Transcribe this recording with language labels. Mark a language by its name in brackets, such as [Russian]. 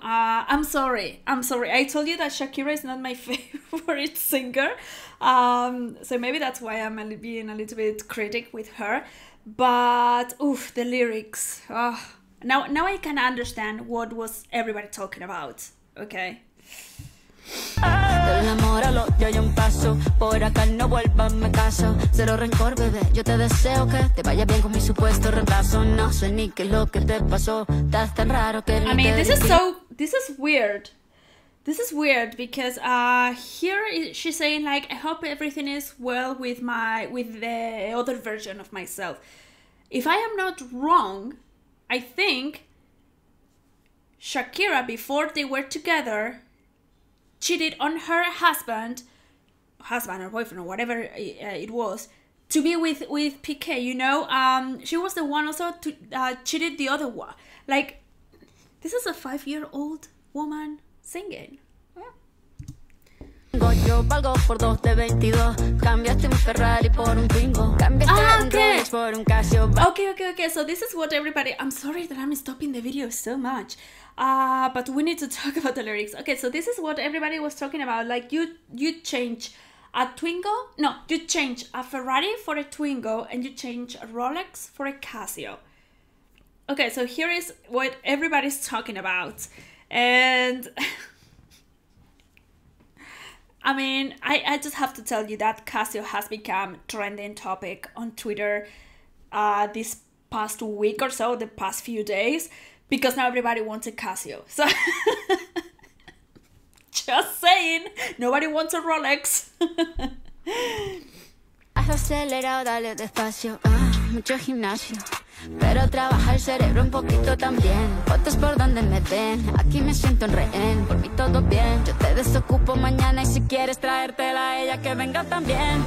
[English] I'm sorry. I told you that Shakira is not my favorite singer. So maybe that's why I'm being a little bit critic with her. But oof, the lyrics. Now I can understand what was everybody talking about. [Spanish] Okay. Enamóralo, yo hay un paso. Por acá no vuelvas, me caso. Cero rencor, bebé. Yo te deseo que te vaya bien con mi supuesto reemplazo. No sé ni qué es lo que te pasó. Estás tan raro que ni te dije. [English] This is weird. This is weird because here she's saying like, I hope everything is well with the other version of myself. If I am not wrong, I think Shakira, before they were together, cheated on her husband or boyfriend or whatever it was to be with Piqué, you know? She was the one also to cheated the other one. Like, this is a 5 year old woman singing. [Spanish] Yo valgo por dos de 22. Cambiaste un Ferrari por un Twingo. Cambiaste un Rolex por un Casio. [English] Okay. So this is what everybody... I'm sorry that I'm stopping the video so much. But we need to talk about the lyrics. Okay, so this is what everybody was talking about. Like, you change a Twingo... No, you change a Ferrari for a Twingo and you change a Rolex for a Casio. Okay, so here is what everybody's talking about. And... I mean, I just have to tell you that Casio has become trending topic on Twitter this past week or so, the past few days, because now everybody wants a Casio. So, just saying, nobody wants a Rolex. [Spanish] Acelerado, dale despacio, mucho gimnasio. Pero trabaja el cerebro un poquito también. Fotos por donde me ven, aquí me siento en rehén. Por mí todo bien, yo te desocupo mañana. Y si quieres traértela a ella, que venga también.